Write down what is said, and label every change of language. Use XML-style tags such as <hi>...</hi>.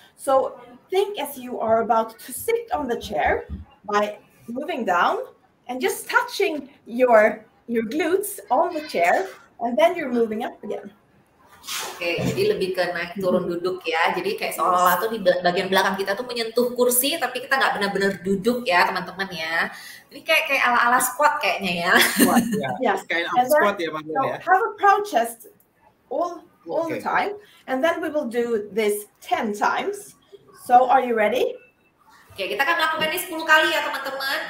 <en>So think as you are about to sit on the chair by moving down and just touching your glutes on the chair, and then you're moving up again.</en> <id>Oke, jadi lebih ke naik turun duduk ya. Jadi kayak seolah-olah tuh di bagian belakang kita tuh menyentuh kursi, tapi kita nggak benar-benar duduk ya, teman-teman ya. Ini kayak ala-ala squat kayaknya ya.</id> <en>Yeah.</en> <id>Squat ya, Pak Nur ya.</id> <en>Have a proud chest all the time, and then we will do this 10 times. So, are you ready?</en> <id>Oke, kita akan melakukan ini 10 kali ya, teman-teman.</id>